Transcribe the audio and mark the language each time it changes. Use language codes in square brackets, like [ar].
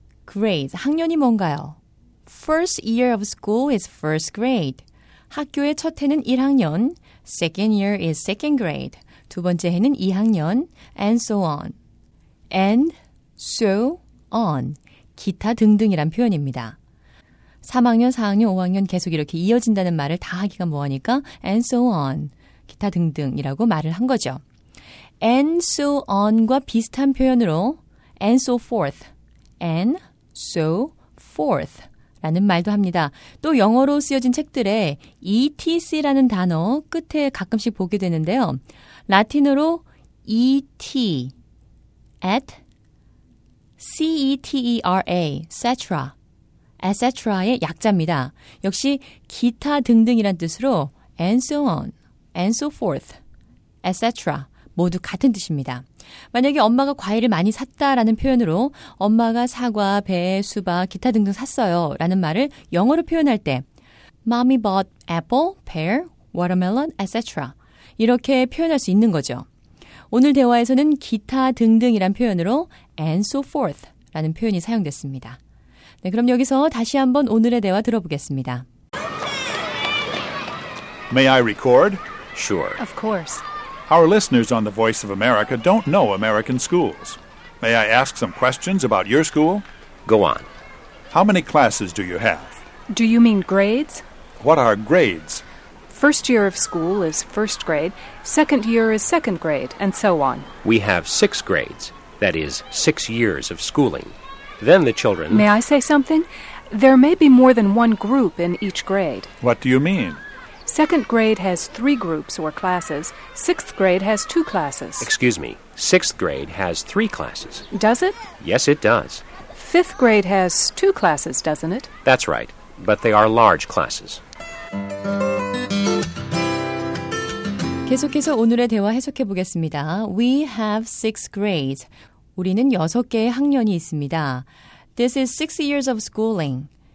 [ko] Grades, 학년이 뭔가요? [en] First year of school is first grade. [ko] 학교의 첫 해는 1학년, [en] second year is second grade. [ko] 두 번째 해는 2학년, [en] and so on. And so on. [ko] 기타 등등이란 표현입니다. 3학년, 4학년, 5학년 계속 이렇게 이어진다는 말을 다 하기가 뭐하니까 [en] and so on. [ko] 기타 등등이라고 말을 한 거죠. [en] And so on [ko] 과 비슷한 표현으로 [en] and so forth, and so forth [ko] 라는 말도 합니다. 또 영어로 쓰여진 책들에 ETC라는 단어 끝에 가끔씩 보게 되는데요. 라틴어로 ET, at, C-E-T-E-R-A, etc. etc.의 약자입니다. 역시 기타 등등이란 뜻으로 [en] and so on. And so forth, etc. [ko] 모두 같은 뜻입니다. 만약에 엄마가 과일을 많이 샀다라는 표현으로 엄마가 사과, 배, 수박, 기타 등등 샀어요 라는 말을 영어로 표현할 때 [en] Mommy bought apple, pear, watermelon, etc. [ko] 이렇게 표현할 수 있는 거죠. 오늘 대화에서는 기타 등등이란 표현으로 [en] And so forth [ko] 라는 표현이 사용됐습니다. 네, 그럼 여기서 다시 한번 오늘의 대화 들어보겠습니다. [en] May I record? Sure. Of course. Our listeners on the Voice of America don't know American schools. May I ask some questions about your school? Go on. How many classes do you have? Do you mean grades? What are grades? First year of school is first grade, second year is second grade, and so on. We have six grades, that is, 6 years of schooling. Then the children... May I say something? There may be more than one group in each grade. What do you mean? Second grade has three groups or classes. Sixth grade has two classes. Excuse me. Sixth grade has three classes. Does it? Yes, it does. Fifth grade has two classes, doesn't it? That's right. But they are large classes. [ko] 계속해서 오늘의 대화 해석해 보겠습니다. [en] We have six grades. [ko] 우리는 여섯 개의 학년이 있습니다. [en] This is 6 years of schooling.